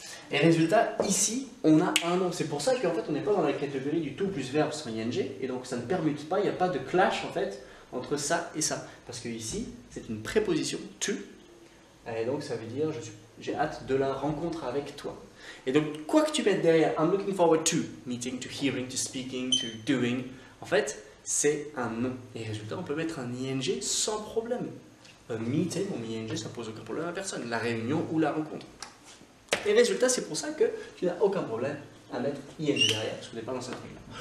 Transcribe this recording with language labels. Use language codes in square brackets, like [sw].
[fr] Et résultat, ici, on a un nom. C'est pour ça qu'en fait, on n'est pas dans la catégorie du tout plus verbe sans ing. Et donc, ça ne permute pas, il n'y a pas de clash, en fait, entre ça et ça. Parce que ici, c'est une préposition, to. Et donc, ça veut dire, j'ai hâte de la rencontre avec toi. Et donc, quoi que tu mettes derrière, [en] I'm looking forward to meeting, to hearing, to speaking, to doing. [fr] En fait, c'est un nom. Et résultat, on peut mettre un ing sans problème. Un meeting, mon ing, ça ne pose aucun problème à personne. La réunion ou la rencontre. Et résultat, c'est pour ça que tu n'as aucun problème à mettre ING derrière, parce qu'on n'est pas dans cette règle-là.